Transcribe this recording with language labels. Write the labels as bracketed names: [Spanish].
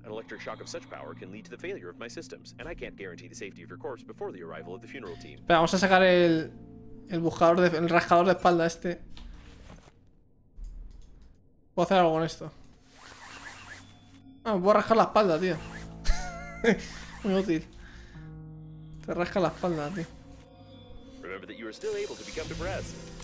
[English] An electric shock of such power can lead to the failure of my systems, and I can't guarantee the safety of your corpse before the arrival of the funeral team. [Spanish] Espera, vamos a sacar el buscador de, el rascador de espalda este. ¿Puedo hacer algo con esto? Ah, me puedo rascar la espalda, tío. Muy útil. Te rasca la espalda, tío. [English] however, that you are still able to become depressed.